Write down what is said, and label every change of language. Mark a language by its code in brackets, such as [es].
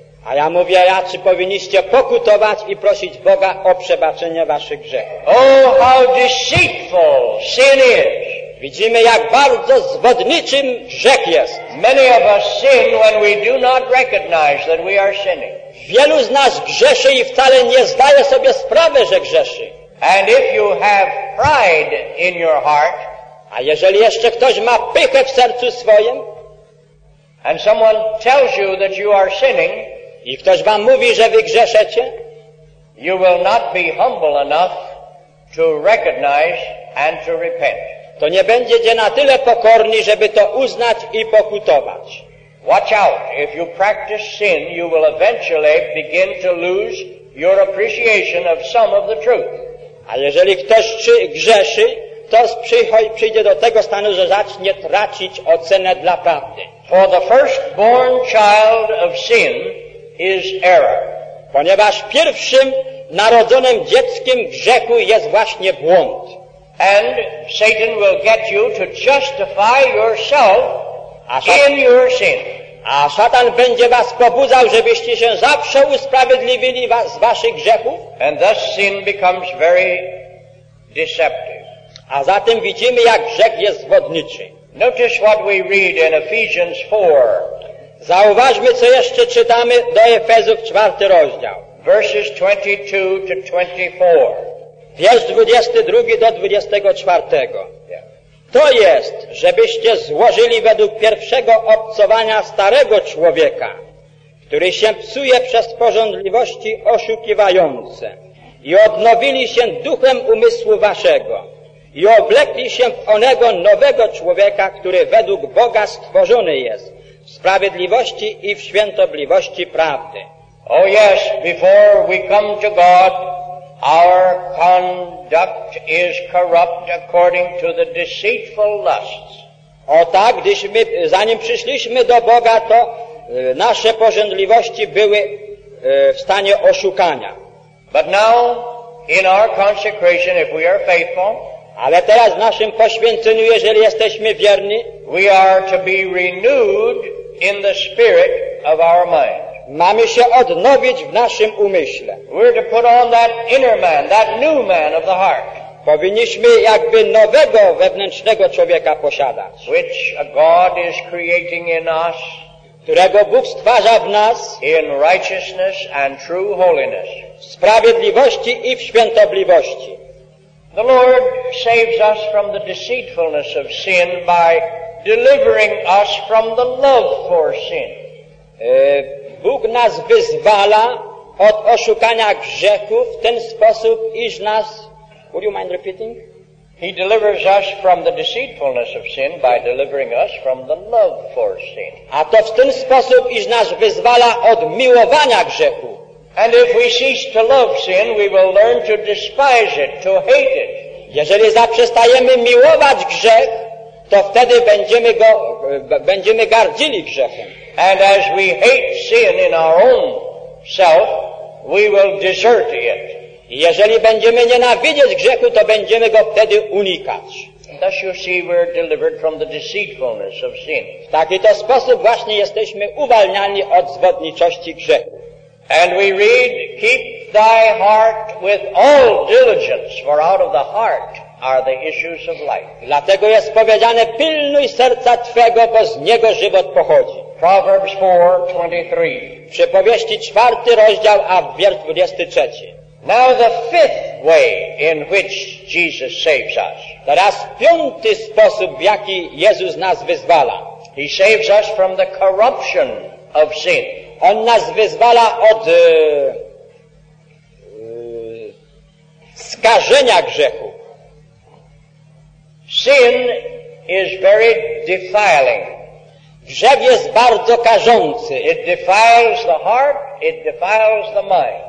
[pl] A ja mówię, jacy powinniście pokutować i prosić Boga o przebaczenie waszych grzechów. [en] Oh, how deceitful sin is. [pl] Widzimy, jak bardzo zwodniczym grzech jest. [en] Many of us sin when we do not recognize that we are sinning. [pl] Wielu z nas grzeszy i wcale nie zdaje sobie sprawy, że grzeszy. [en] And if you have pride in your heart, [pl] a jeżeli jeszcze ktoś ma pychę w sercu swoim, [en] and someone tells you that you are sinning, [pl] i ktoś wam mówi, że wy grzeszecie, [en] you will not be humble enough to recognize and to repent. [pl] To nie będziecie na tyle pokorni, żeby to uznać i pokutować. [en] Watch out! If you practice sin, you will eventually begin to lose your appreciation of some of the truth. [pl] A jeżeli ktoś grzeszy, to przyjdzie do tego stanu, że zacznie tracić ocenę dla prawdy. [en] For the firstborn child of sin is error. [pl] Ponieważ pierwszym narodzonym dzieckiem grzechu jest właśnie błąd. [en] And Satan will get you to justify yourself in your sin. [pl] A szatan będzie was pobudzał, żebyście się zawsze usprawiedliwili was z waszych grzechów. [en] And thus sin becomes very deceptive. [pl] A zatem widzimy, jak grzech jest zwodniczy. [en] Notice what we read in Ephesians 4. [pl] Zauważmy, co jeszcze czytamy do Efezów, 4 rozdział. [en] Verses 22 to 24. [pl] Wiersz 22 do 24. To jest, żebyście złożyli według pierwszego obcowania starego człowieka, który się psuje przez pożądliwości oszukiwające, i odnowili się duchem umysłu waszego i oblekli się w onego nowego człowieka, który według Boga stworzony jest w sprawiedliwości i w świętobliwości prawdy. [en] Oh yes, before we come to God, our conduct is corrupt according to the deceitful lusts. [pl] O tak, gdyśmy, zanim przyszliśmy do Boga, to nasze pożądliwości były w stanie oszukania. [en] But now, in our consecration, if we are faithful, [pl] ale teraz w naszym poświęceniu, jeżeli jesteśmy wierni, [en] we are to be renewed in the spirit of our mind. [pl] Mamy się odnowić w naszym umyśle. [en] We're to put on that inner man, that new man of the heart. [pl] Powinniśmy jakby nowego wewnętrznego człowieka posiadać, [en] which God is creating in us, [pl] którego Bóg stwarza w nas, [en] in righteousness and true holiness, [pl] w sprawiedliwości i w świętobliwości. [en] The Lord saves us from the deceitfulness of sin by delivering us from the love for sin. [pl] Bóg nas wyzwala od oszukania grzechu w ten sposób, iż nas... [en] Would you mind repeating? He delivers us from the deceitfulness of sin by delivering us from the love for sin. [pl] A to w ten sposób, iż nas wyzwala od miłowania grzechu. [en] And if we cease to love sin, we will learn to despise it, to hate it. [pl] Jeżeli zaprzestajemy miłować grzech, to wtedy będziemy gardzili grzechem. [en] And as we hate sin in our own self, we will desert it. [pl] Jeżeli będziemy nienawidzieć grzechu, to będziemy go wtedy unikać. [en] Thus you see, we're delivered from the deceitfulness of sin. [pl] W taki to sposób właśnie jesteśmy uwalniani od zwodniczości grzechu. [en] And we read, keep thy heart with all diligence, for out of the heart are the issues of life. [pl] Dlatego jest powiedziane, pilnuj serca twego, bo z niego żywot pochodzi. [en] Proverbs 4:23. [pl] Przypowieści 4 rozdział, a wiersz 23. [en] Now the fifth way in which Jesus saves us. [pl] Teraz piąty sposób, w jaki Jezus nas wyzwala. [en] He saves us from the corruption of sin. [pl] On nas wyzwala od skażenia grzechu. [en] Sin is very defiling. [pl] Grzech jest bardzo karzący. [en] It defiles the heart, it defiles the mind.